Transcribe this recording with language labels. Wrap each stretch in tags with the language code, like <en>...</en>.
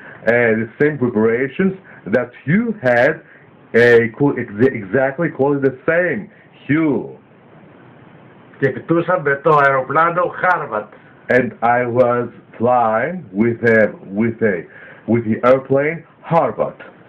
<en>the same preparations that you had exactly called the same Hugh</en> <el>και πετούσα με το αεροπλάνο Harvard</el> <en>and I was flying with the airplane Harvard.</en>